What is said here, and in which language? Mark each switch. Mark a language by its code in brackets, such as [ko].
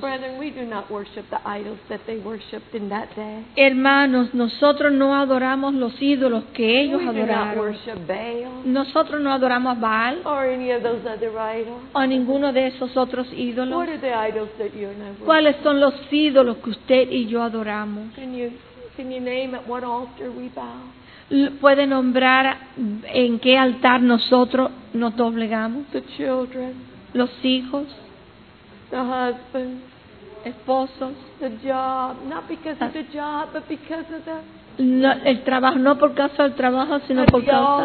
[en] Brethren, we do not worship the idols that they worshiped in that day. [es] Hermanos, nosotros no adoramos los ídolos que ellos [en] we Do not worship Baal. [es] Nosotros no adoramos a Baal. [en] Or any of those other idols. [es] O ninguno de esos otros ídolos. [en] What are the idols that you and I worship? [es] ¿Cuáles son los ídolos que usted y yo adoramos? [en] Can you name at what altar we bow? [es] ¿Puede nombrar en qué altar nosotros nos doblegamos? [en] The children, [es] los hijos, [en] the husbands, [es] esposos, [en] the job, not because of the job, but because of the [es] no, el trabajo, no por causa del trabajo, sino por causa